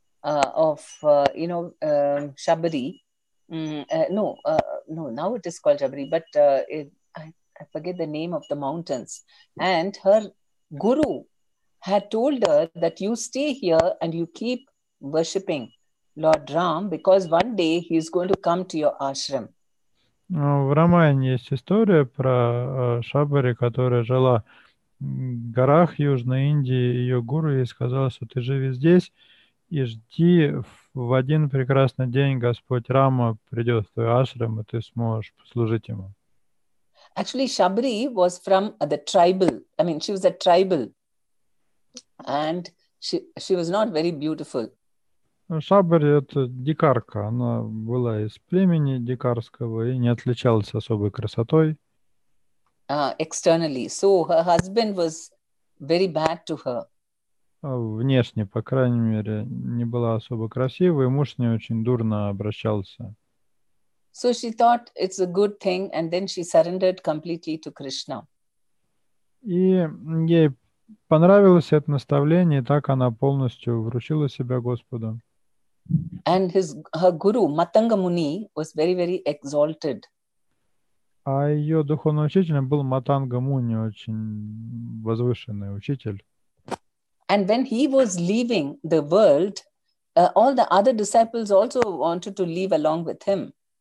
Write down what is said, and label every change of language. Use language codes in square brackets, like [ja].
[en] Shabari. Now it is called Shabari, but I forget the name of the mountains. And her guru had told her that you stay here and you keep worshipping Lord Ram because one day he is going to come to your ashram. [ru] В Рамаяне есть история про Шабари, которая жила в горах Южной Индии. Ее гуру ей сказал, что ты живи здесь, и жди, в один прекрасный день Господь Рама придет в твой ашрам, и ты сможешь послужить ему. [en] Actually, Shabari was from the tribal. I mean, she was a tribal. And she was not very beautiful. [ru] Шабари — это дикарка. Она была из племени дикарского и не отличалась особой красотой. [en] Externally. So her husband was very bad to her. [ru] Внешне, по крайней мере, не была особо красивой, муж с ней очень дурно обращался. [en] So she thought it's a good thing, and then she surrendered completely to Krishna. [ru] И ей понравилось это наставление, и так она полностью вручила себя Господу. [en] And her guru, Matanga Muni, was very, very exalted. [ru] А ее духовный учитель был Матанга Муни, очень возвышенный учитель. [en] And when he was leaving the world, all the other disciples also wanted to leave along with him.